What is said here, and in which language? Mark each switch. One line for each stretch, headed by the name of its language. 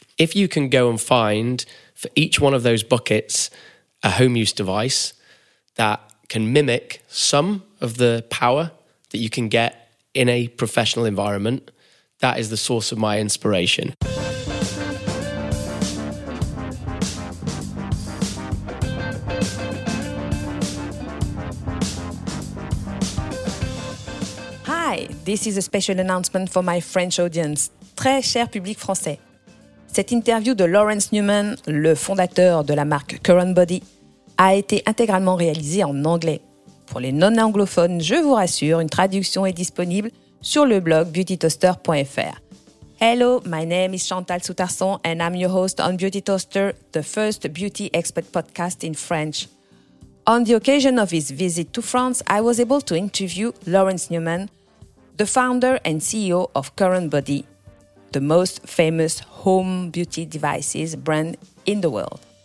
English: If you can go and find for each one of those buckets a home use device that can mimic some of the power that you can get in a professional environment, that is the source of my inspiration. This is a special announcement for my French audience.
French: Très cher public français. Cette interview de Lawrence Newman, le fondateur de la marque Current Body, a été intégralement réalisée en anglais. Pour les non-anglophones, je vous rassure, une traduction est disponible sur le blog beautytoaster.fr.
English: Hello, my name is Chantal Soutarson and I'm your host on Beauty Toaster, the first beauty expert podcast in French. On the occasion of his visit to France, I was able to interview Lawrence Newman, the founder and CEO of Current Body, the most famous home beauty devices brand in the world.